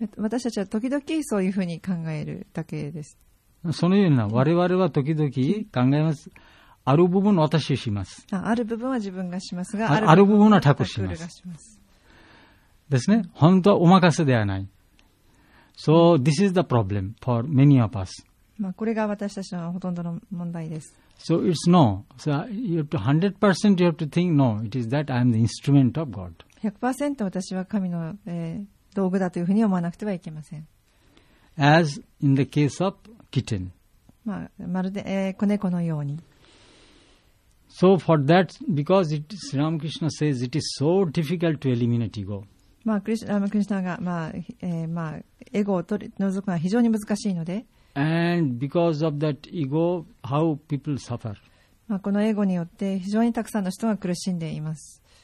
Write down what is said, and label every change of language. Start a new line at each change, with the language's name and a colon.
Japanese: 私たちは時々そういうふうに考えるだけですそのような我々は時々考えますある部分私しますある部分は自分がしますがある部分は Thakur しますですね本当はお任せではない
English: So this is the problem for many of us
Japanese: まあこれが私たちのほとんどの問題です
English: So it's no. So you have to 100% you have to think no. It is that I am the instrument of God.
Japanese: 100% 私は神の、道具だというふうに思わなくてはいけません。
English: As in the case of kitten.
Japanese: まあ、まるで、子猫のように。
English: So for that, because it, Sri Ramakrishna says it is so difficult to eliminate ego.
Japanese: まあ、ラマクリシュナが、まあ、まあ、エゴを取り除くのは非常に難しいので、
English: And because of that ego, how people suffer.
Japanese: まあこのエゴによって非常にたくさんの人が苦しんでいます。